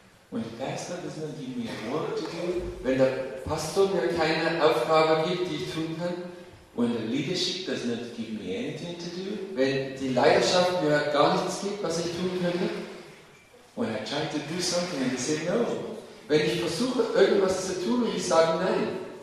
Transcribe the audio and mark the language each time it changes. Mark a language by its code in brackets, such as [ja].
[en] When the pastor does not give me work to do. [de] Wenn der Pastor mir keine Aufgabe gibt, die ich tun kann. [en] When the leadership does not give me anything to do. [de] Wenn die Leidenschaft mir gar nichts gibt, was ich tun könnte. [en] When I try to do something and they say no. [de] Wenn ich versuche, irgendwas zu tun und ich sage nein.